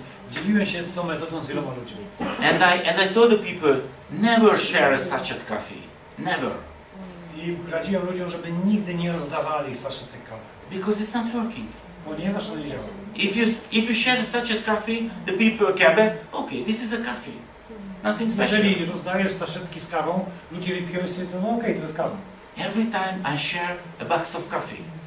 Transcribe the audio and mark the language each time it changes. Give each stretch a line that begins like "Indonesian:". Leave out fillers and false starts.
Polish: Dzieliłem się z tą metodą z wieloma ludźmi.
English: And I told the people never share sachet coffee. Never.
Polish: I radziłem ludziom, żeby nigdy nie rozdawali
English: sachet
Polish: kawy.
English: Because it's not working.
Polish: Ponieważ to nie działa.
English: If you share sachet coffee, the people come back. Okay, this is a coffee. Nothing special.
Polish: Jeżeli rozdajesz saszetki z kawą, ludzie piją i stwierdzą, no okej, to jest kawa.
English: Every time I share a box of coffee.